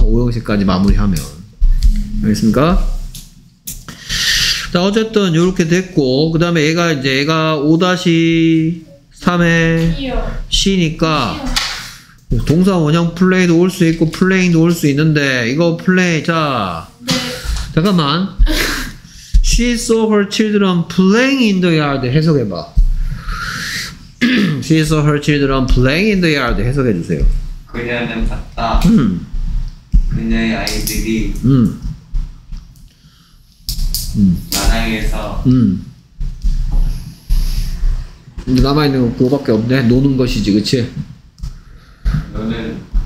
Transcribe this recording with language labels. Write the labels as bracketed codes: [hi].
[ko] 5형식까지 마무리하면. 알겠습니까? 자 어쨌든 이렇게 됐고 그 다음에 얘가 5-3의 C니까 동사 원형 플레이도 올 수 있고 플레잉도 올 수 있는데 이거 플레이 자 네. 잠깐만 [en] She saw her children playing in the yard [ko] 해석해봐. [en] She saw her children playing in the yard [ko] 해석해주세요. 그녀는 봤다. 그녀의 아이들이 마당에서 이제 남아있는 건 그거밖에 없네. 노는 것이지 그치? 너는